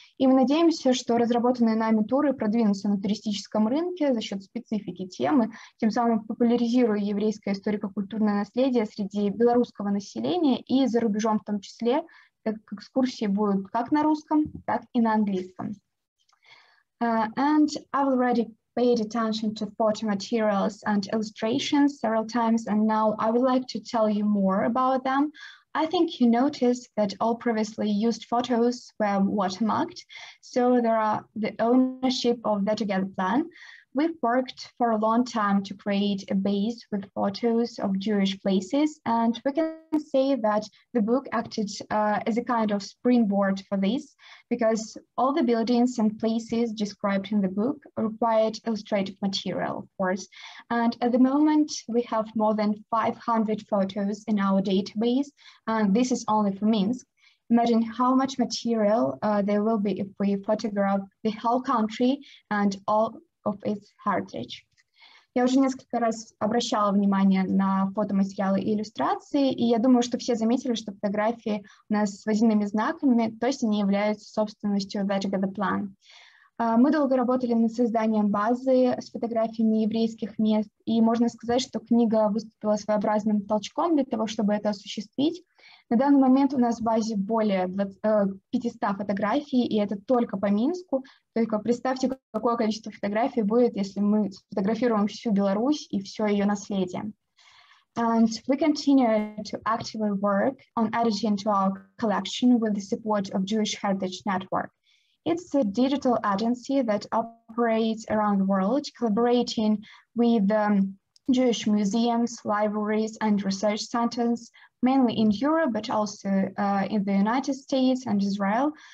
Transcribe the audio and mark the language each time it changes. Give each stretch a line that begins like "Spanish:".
Russian: И мы надеемся, что разработанные нами туры продвинутся на туристическом рынке за счет специфики темы, тем самым популяризируя еврейское историко-культурное наследие среди белорусского населения и за рубежом в том числе, так как экскурсии будут как на русском, так и на английском.
English: And I've already paid attention to photo materials and illustrations several times, and now I would like to tell you more about them. I think you noticed that all previously used photos were watermarked, so there are the ownership of the Together plan. We've worked for a long time to create a base with photos of Jewish places, and we can say that the book acted as a kind of springboard for this, because all the buildings and places described in the book required illustrative material, of course. And at the moment, we have more than 500 photos in our database, and this is only for Minsk. Imagine how much material there will be if we photograph the whole country and all of its heritage.
Russian: Я уже несколько раз обращала внимание на фотоматериалы и иллюстрации, и я думаю, что все заметили, что фотографии у нас с водяными знаками, то есть они являются собственностью Vajgo The Plan. Мы долго работали над созданием базы с фотографиями еврейских мест, и можно сказать, что книга выступила своеобразным толчком для того, чтобы это осуществить. На данный момент у нас в базе более 500 фотографий, и это только по Минску. Только представьте, какое количество фотографий будет, если мы сфотографируем всю Беларусь и все ее наследие.
English: And we continue to actively work on editing to our collection with the support of Jewish Heritage Network. It's a digital agency that operates around the world, collaborating with Jewish museums, libraries, and research centers, mainly in Europe, but also in the United States and Israel.